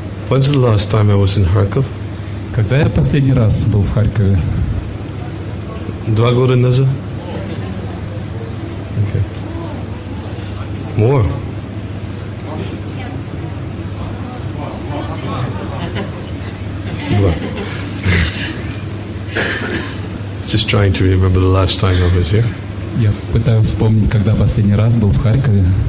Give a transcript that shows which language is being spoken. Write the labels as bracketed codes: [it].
[en] When's the last time I was in Kharkov? [ru] Когда я последний раз был в Харькове? Два года назад. [en] Okay. More. [ru] Два. [en] Just trying to remember the last time I was here. [ru] Я пытаюсь вспомнить, когда последний раз был в Харькове.